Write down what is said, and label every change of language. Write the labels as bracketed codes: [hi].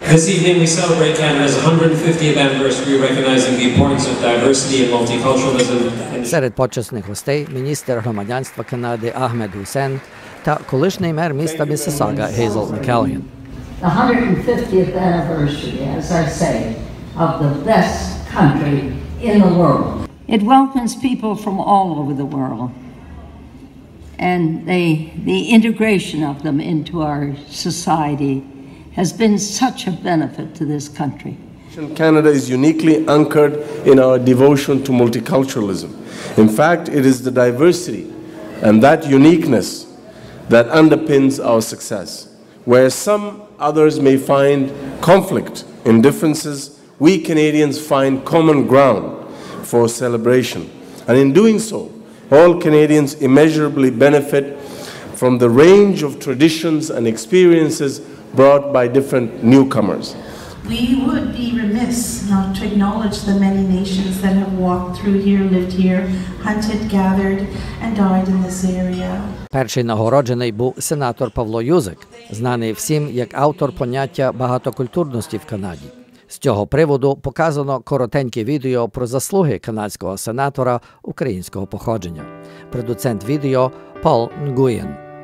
[en] This evening we celebrate Canada's 150th anniversary, recognizing the importance of diversity and multiculturalism. [uk] Серед почесних гостей – міністр громадянства Канади Ахмед Гусен та колишній мер міста Міссасага Гейзел Маккеллен. [en] The 150th anniversary, as I say, of the best country in the world. It welcomes people from all over the world, and the integration of them into our society has been such a benefit to this country. Canada is uniquely anchored in our devotion to multiculturalism. In fact, it is the diversity and that uniqueness that underpins our success. Where some others may find conflict in differences, we Canadians find common ground for celebration. And in doing so, all Canadians immeasurably benefit from the range of traditions and experiences brought by different newcomers. We would be remiss not to acknowledge the many nations that have walked through here, lived here, hunted, gathered, and died in this area. [uk] Перший нагороджений був сенатор Павло Юзик, знаний всім як автор поняття багатокультурності в Канаді. З цього приводу показано коротеньке відео про заслуги канадського сенатора українського походження. Продуцент відео – Пол Нгуєн.